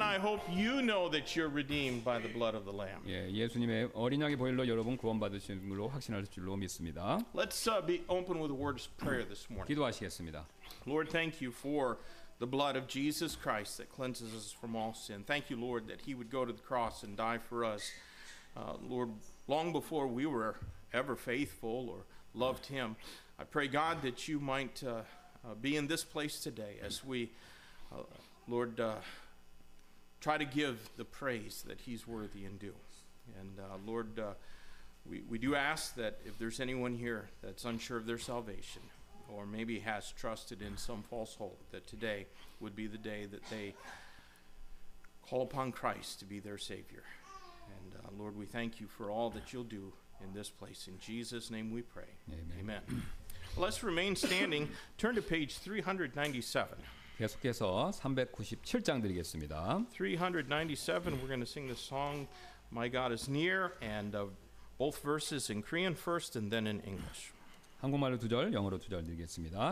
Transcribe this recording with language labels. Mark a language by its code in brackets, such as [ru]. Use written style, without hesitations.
[en] I hope you know that you're redeemed by the blood of the Lamb. [ko] 예, 예수님의 어린 양의 보혈로 여러분 구원받으신 걸로 확신할 줄로 믿습니다. [en] Let's be open with a word of prayer this morning. [ko] 기도하시겠습니다. [en] Lord, thank you for the blood of Jesus Christ that cleanses us from all sin. Thank you, Lord, that He would go to the cross and die for us, Lord, long before we were ever faithful or loved Him. I pray, God, that you might be in this place today as we, Lord. Try to give the praise that he's worthy and due. And Lord, we do ask that if there's anyone here that's unsure of their salvation or maybe has trusted in some false hope, that today would be the day that they call upon Christ to be their Savior. And Lord, we thank you for all that you'll do in this place. In Jesus' name we pray. Amen. Amen. Let's remain standing. Turn to page 397. [ko] 계속해서 397장 드리겠습니다. [en] 397, we're going to sing the song My God is Near and both verses in Korean first and then in English. [ko] 한국말로 두 절, 영어로 두 절 드리겠습니다.